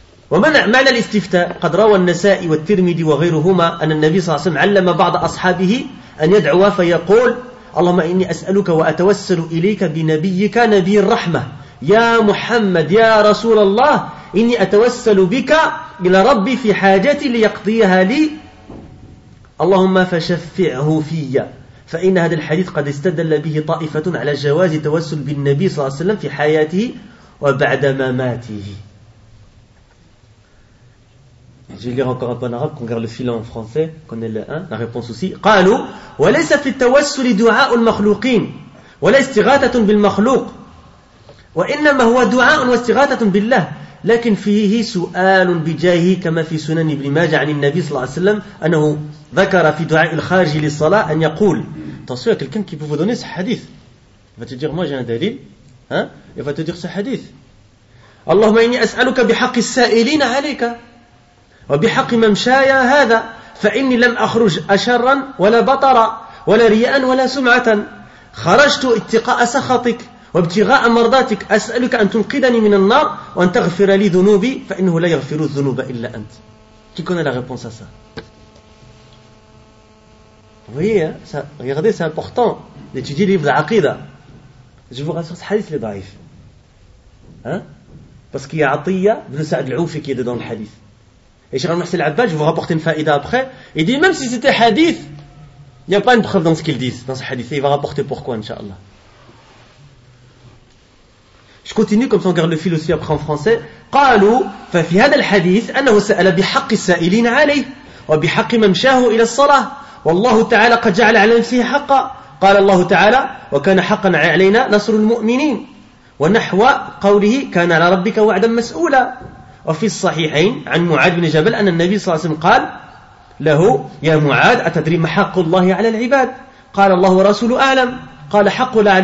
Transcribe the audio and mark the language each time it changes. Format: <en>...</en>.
<ar>ومعنى الاستفتاء، قد روى النسائي والترمذي وغيرهما أن النبي صلى الله عليه وسلم علم بعض أصحابه أن يدعو فيقول: اللهم إني أسألك وأتوسل إليك بنبيك نبي الرحمة، يا محمد يا رسول الله، إني أتوسل بك إلى ربي في حاجتي ليقضيها لي، اللهم فشفعه فيا. فإن هذا الحديث قد استدل به طائفة على جواز التوسل بالنبي صلى الله عليه وسلم في حياته وبعد مماته.</ar> <fr>Je lis encore un peu en arabe, qu'on garde le filon en français, qu'on ait le 1, la réponse aussi.</fr> <ar>قالوا وليس في التوسل دعاء المخلوقين ولا استغاثة بالمخلوق وإنما هو دعاء واستغاثة بالله لكن فيه سؤال بجاهه كما في سنن ابن ماجه عن النبي صلى الله عليه وسلم أنه ذكر في دعاء الخارج للصلاة أن يقول تصوير</ar> <fr>quelqu'un qui peut vous donner ce hadith. Il va te dire moi j'ai un dalil, hein? Il va te dire ce hadith.</fr> <ar>اللهم إني أسألك بحق السائلين عليك وبحق ممشايا هذا فإني لم أخرج أشرا ولا بطرا ولا رياء ولا سمعة خرجت اتقاء سخطك وابتغاء مرضاتك أسألك أن تنقذني من النار وأن تغفر لي ذنوبي فإنه لا يغفر الذنوب إلا أنت.</ar> <fr>Qui connaît la réponse à ça? Vous voyez, hein, ça, regardez, c'est important d'étudier le livre de l'Aqidah. Je vous rassure, ce hadith est daif. Hein? Parce qu'il y a Atiyya ibn Sa'd al-Oufi qui est dedans le hadith. Et Cheikh Al-Mahsi al-Abbad, je vous rapporte une faïda après. Il dit même si c'était hadith, il n'y a pas une preuve dans ce qu'ils disent, dans ce hadith. Et il va rapporter pourquoi, Inch'Allah. Je continue comme ça on garde le fil aussi après en français.</fr> <ar>قالوا ففي هذا الحديث أنه سأل بحق السائلين عليه وبحق ممشاه إلى الصلاة والله تعالى قد جعل على نفسه حقا قال الله تعالى وكان حقا علينا نصر المؤمنين ونحو قوله كان على ربك وعدا مسؤولا وفي الصحيحين عن معاذ بن جبل أن النبي صلى الله عليه وسلم قال له يا معاذ أتدري ما حق الله على العباد قال الله ورسوله أعلم قال حق</ar>